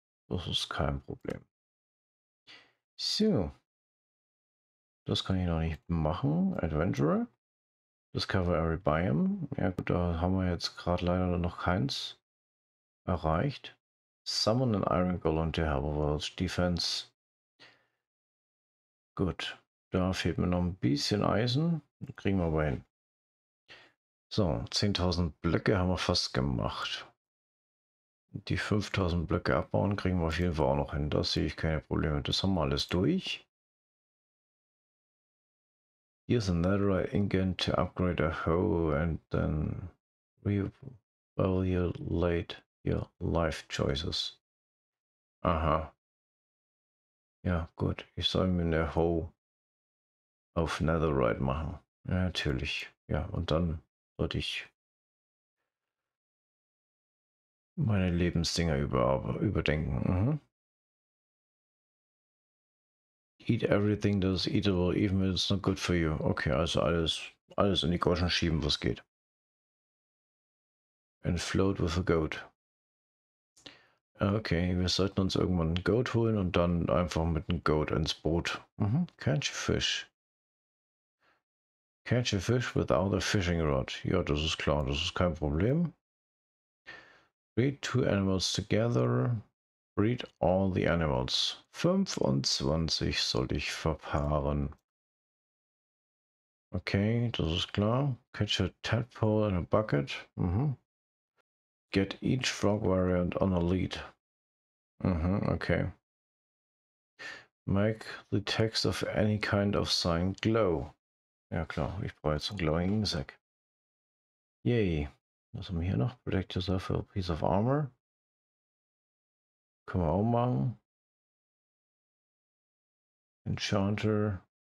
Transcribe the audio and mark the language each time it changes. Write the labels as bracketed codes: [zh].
[de] Das ist kein Problem. So. Das kann ich noch nicht machen. [en] Adventurer. Discover every biome. [de] Ja gut, da haben wir jetzt gerade leider noch keins erreicht. [en] Summon an Iron Golem to help with defense. [de] Gut. Da fehlt mir noch ein bisschen Eisen. Kriegen wir aber hin. So, 10.000 Blöcke haben wir fast gemacht. Die 5.000 Blöcke abbauen kriegen wir auf jeden Fall auch noch hin. Da sehe ich keine Probleme. Das haben wir alles durch. [en] Here's a netherite ingot to upgrade a hoe and then reevaluate your life choices. [de] Aha. Ja, gut. Ich soll mir eine Hoe auf Netherite machen. Ja, natürlich. Ja, und dann sollte ich meine Lebensdinger überdenken. Mhm. [en] Eat everything that is eatable, even if it's not good for you. [de] Okay, also alles in die Goschen schieben, was geht. [en] And float with a goat. [de] Okay, wir sollten uns irgendwann ein Goat holen und dann einfach mit einem Goat ins Boot. Mhm. [en] Catch a fish. Catch a fish without a fishing rod. [de] Ja, das ist klar, das ist kein Problem. [en] Breed two animals together. Breed all the animals. [de] 25 sollte ich verpaaren. Okay, das ist klar. [en] Catch a tadpole in a bucket. Mhm. Get each frog variant on a lead. Mhm, okay. Make the text of any kind of sign glow. [de] Ja klar, ich brauche jetzt einen glowing insect. Yay. Was haben wir hier noch? [en] Protect yourself with a piece of armor. [de] Können wir auch machen. [en] Enchanter.